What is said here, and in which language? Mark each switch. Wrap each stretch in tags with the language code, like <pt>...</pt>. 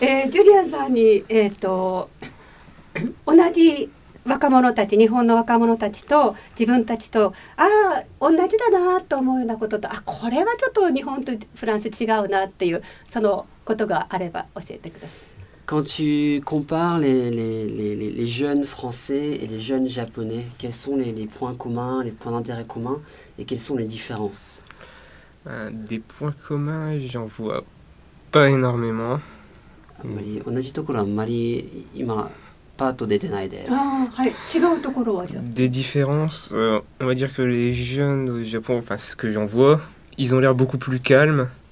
<ja>ジュリアンさんに、同じ若者たち、日本の若者たちと自分たちと、ああ同じだなと思うようなことと、あ、これはちょっと日本とフランス違うなっていう、そのことがあれば教えてください。</ja> <fr>Quand tu compares les jeunes français et les jeunes japonais, quels sont les points communs, les points d'intérêt communs et quelles sont les différences? Des points communs, j'en vois pas énormément.</fr> <ja>あまり同じところはあまり今パート出てないで。ああ、はい。違うところはじゃあ。</ja> <fr>Des différences, on va dire que les jeunes au Japon, enfin ce que j'en vois, ils ont l'air beaucoup plus calmes.</fr>